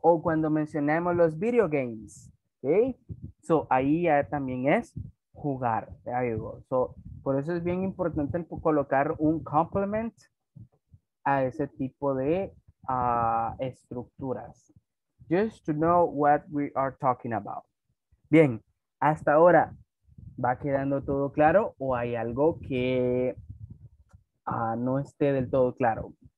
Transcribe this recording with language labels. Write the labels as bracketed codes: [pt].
[es] O cuando mencionamos los video games, okay? So ahí ya también es jugar. [en] There you go. [es] So por eso es bien importante colocar un complement a ese tipo de estructuras. [en] Just to know what we are talking about. [es] Bien, hasta ahora, ¿va quedando todo claro o hay algo que no esté del todo claro?